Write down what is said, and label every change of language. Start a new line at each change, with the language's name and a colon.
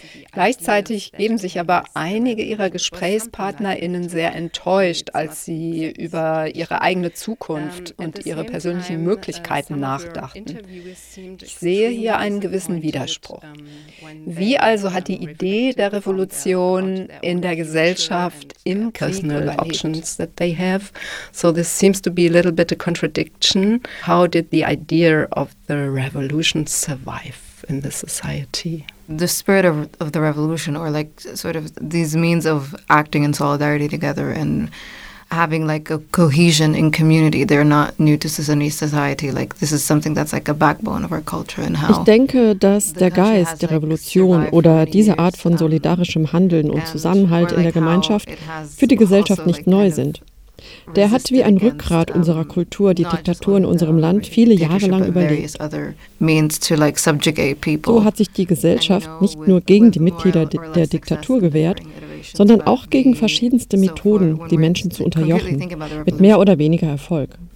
German: Gleichzeitig geben sich aber einige ihrer GesprächspartnerInnen sehr enttäuscht, als sie über ihre eigene Zukunft und ihre persönlichen Möglichkeiten nachdachten. Ich sehe hier einen gewissen Widerspruch. Wie also hat die Idee der Revolution in der Gesellschaft im
English: personal options that they have. So this seems to be a little bit a contradiction. How did the idea of the revolution survive in the society? The spirit of the revolution or like sort of these means of acting in solidarity together and having like a cohesion in community, they're not new to Sudanese society. Like this is something that's like a backbone of our culture and how.
German: Ich denke, dass der Geist der Revolution oder diese Art von solidarischem Handeln und Zusammenhalt in der Gemeinschaft für die Gesellschaft nicht neu sind. Der hat wie ein Rückgrat unserer Kultur die Diktatur in unserem Land viele Jahre lang überlebt. So hat sich die Gesellschaft nicht nur gegen die Mitglieder der Diktatur gewehrt, sondern auch gegen verschiedenste Methoden, die Menschen zu unterjochen, mit mehr oder weniger Erfolg.